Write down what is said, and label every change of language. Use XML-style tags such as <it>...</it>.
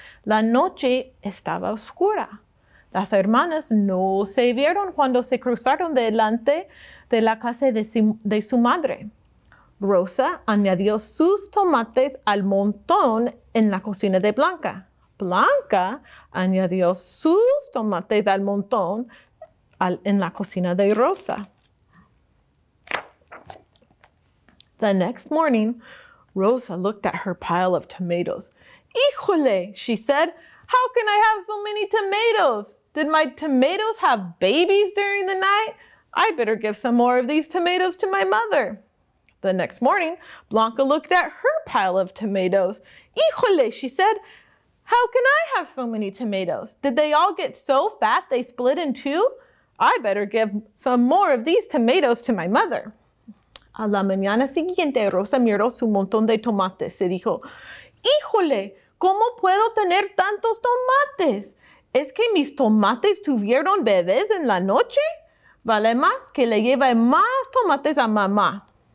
<es>La noche estaba oscura. Las hermanas no se vieron cuando se cruzaron delante de la casa de su madre. Rosa añadió sus tomates al montón en la cocina de Blanca. Blanca añadió sus tomates al montón en la cocina de Rosa.</es> <en>The next morning, Rosa looked at her pile of tomatoes. Híjole, she said, how can I have so many tomatoes? Did my tomatoes have babies during the night? I better give some more of these tomatoes to my mother. The next morning, Blanca looked at her pile of tomatoes. Híjole, she said, how can I have so many tomatoes? Did they all get so fat they split in two? I better give some more of these tomatoes to my mother.</en> <es>A la mañana siguiente, Rosa miró su montón de tomates y dijo, híjole, ¿cómo puedo tener tantos tomates? ¿Es que mis tomates tuvieron bebés en la noche? Vale más que le lleve más tomates a mamá.</es>